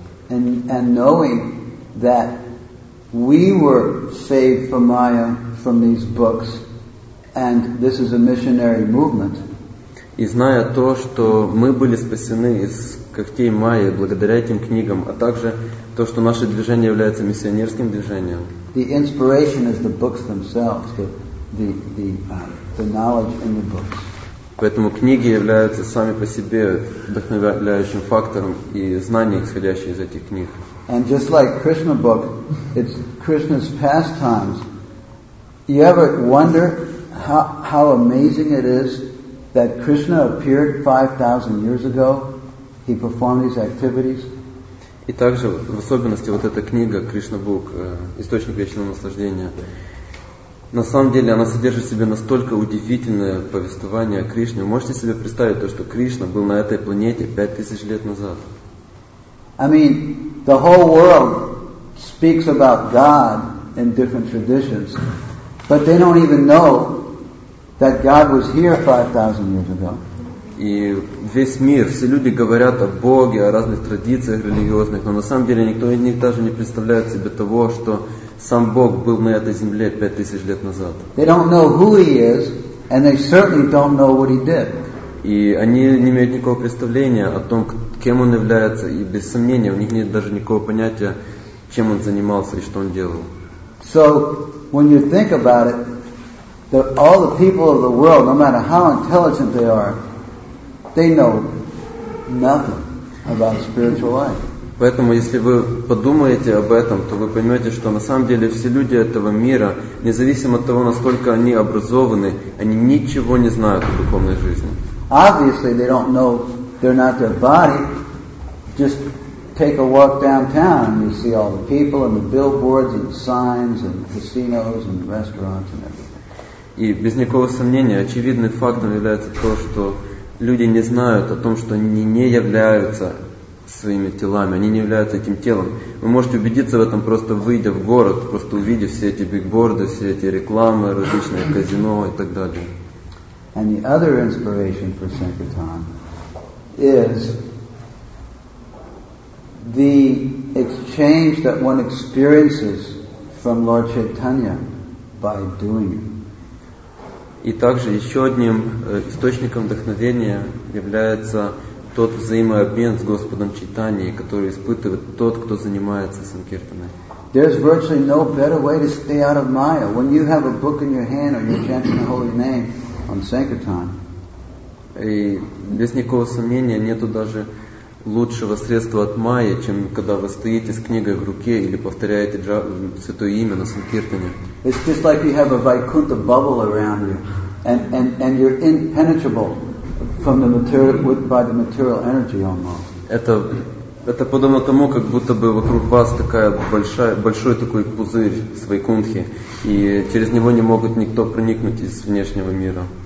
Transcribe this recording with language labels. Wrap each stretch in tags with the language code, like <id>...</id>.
<en>And knowing that we were saved from Maya from these books, and this is a missionary movement.</en> <ru>И зная то, что мы были спасены из когтей Майи благодаря этим книгам, а также то, что наше движение является миссионерским движением.</ru> <en>The inspiration is the books themselves, the knowledge in the books.</en> <ru>Поэтому книги являются сами по себе вдохновляющим фактором и знания, исходящие из этих книг.</ru> <en>And just like Krishna book, it's Krishna's pastimes. You ever wonder how amazing it is that Krishna appeared 5,000 years ago? He performed these activities.</en> <ru>И также в особенности вот эта книга Krishna book, источник вечного наслаждения. На самом деле она содержит в себе настолько удивительное повествование о Кришне. Вы можете себе представить то, что Кришна был на этой планете 5000 лет назад?</ru> <en>I mean, the whole world speaks about God in different traditions, but they don't even know that God was here 5000 years ago.</en> <ru>И весь мир, все люди говорят о Боге, о разных традициях религиозных, но на самом деле никто из них даже не представляет себе того, что сам Бог был на этой земле 5000 лет назад.</ru> <en>They don't know who he is, and they certainly don't know what he did.</en> <ru>И они не имеют никакого представления о том, кем он является, и без сомнения, у них нет даже никакого понятия, чем он занимался и что он делал.</ru> <en>So, when you think about it, that all the people of the world, no matter how intelligent they are, they know nothing about spiritual life.</en> <ru>Поэтому, если вы подумаете об этом, то вы поймете, что на самом деле все люди этого мира, независимо от того, насколько они образованы, они ничего не знают о духовной жизни.</ru> <en>Obviously, they don't know they're not their body. Just take a walk downtown, you see all the people and the billboards and the signs and casinos and restaurants and everything.</en> <ru>И без никакого сомнения, очевидным фактом является то, что люди не знают о том, что они не являются своими телами, они не являются этим телом. Вы можете убедиться в этом, просто выйдя в город, просто увидев все эти бигборды, все эти рекламы, различные казино и так далее.</ru> <en>And the other inspiration for Sankirtan is the exchange that one experiences from Lord Chaitanya by doing it.</en> <ru>И также еще одним источником вдохновения является тот взаимообмен с Господом Чайтаньей, который испытывает тот, кто занимается санкиртаной.</ru> <en>There's virtually no better way to stay out of Maya. When you have a book in your hand or you're chanting the holy name on sankirtan.</en> <ru>И без никакого сомнения нету даже лучшего средства от Майи, чем когда вы стоите с книгой в руке или повторяете святое имя на санкиртане.</ru> <en>It's just like you have a Vaikuntha bubble around you, and you're impenetrable. From the material, by the material energy, almost.</en> <ru>Это подобно тому, как будто бы вокруг вас такая большой такой пузырь своей кунтхи, и через него не могут никто проникнуть из внешнего мира.</ru>